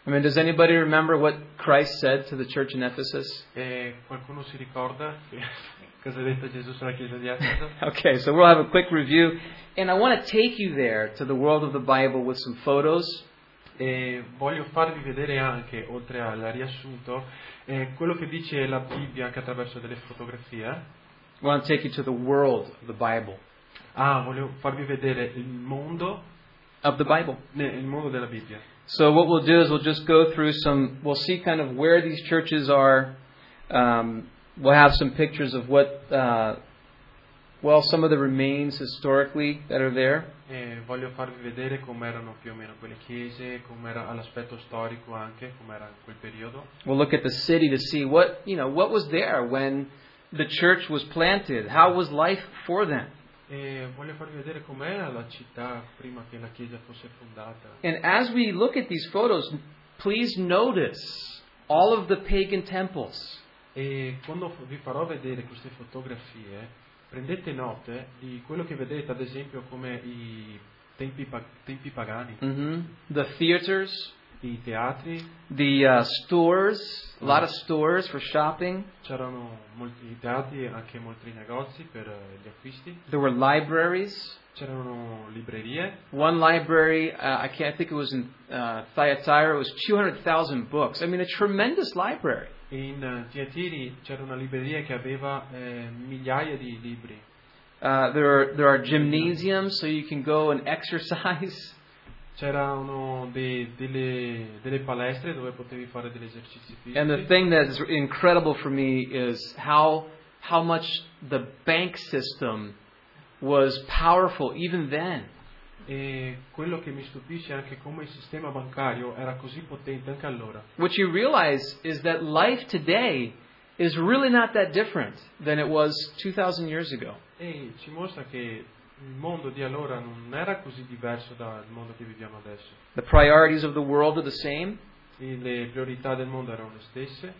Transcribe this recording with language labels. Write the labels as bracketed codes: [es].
[en] I mean, does anybody remember what Christ said to the church in Ephesus? [it] E qualcuno si ricorda cosa ha detto Gesù sulla chiesa di Efeso? [en] Okay, so we'll have a quick review, and I want to take you there to the world of the Bible with some photos. [it] E voglio farvi vedere anche, oltre al riassunto, quello che dice la Bibbia anche attraverso delle fotografie. [en] I want to take you to the world of the Bible. [it] Ah, volevo farvi vedere il mondo [en] of the Bible. [it] Il mondo della Bibbia. [en] So what we'll do is we'll just go through some. We'll see kind of where these churches are. We'll have some pictures of what, some of the remains historically that are there. [it] E voglio farvi vedere come erano più o meno quelle chiese, come era l'aspetto storico anche, come era quel periodo. [en] We'll look at the city to see what, you know, what was there when the church was planted. How was life for them? [it] E voglio farvi vedere com'era la città prima che la chiesa fosse fondata. [en] And as we look at these photos, please notice all of the pagan temples. [it] E quando vi farò vedere queste fotografie, prendete note di quello che vedete, ad esempio come i tempi pagani. [en] Mm-hmm. The theaters. [it] I teatri, [en] the stores, a lot of stores for shopping. [it] C'erano molti teatri, anche molti negozi per gli acquisti. [en] There were libraries. [it] C'erano librerie. [en] One library, I think it was in Thyatira, it was 200,000 books. I mean, a tremendous library. [it] In Thyatira c'era una libreria che aveva migliaia di libri. [en] There are gymnasiums, so you can go and exercise. [it] C'erano delle palestre dove potevi fare degli esercizi fisici. [en] And the thing that is incredible for me is how much the bank system was powerful even then. [it] E quello che mi stupisce è anche come il sistema bancario era così potente anche allora. [en] What you realize is that life today is really not that different than it was 2000 years ago. [it] E ci mostra che il mondo di allora non era così diverso dal mondo che viviamo adesso. [en] The priorities of the world are the same. [it] E le priorità del mondo erano le stesse.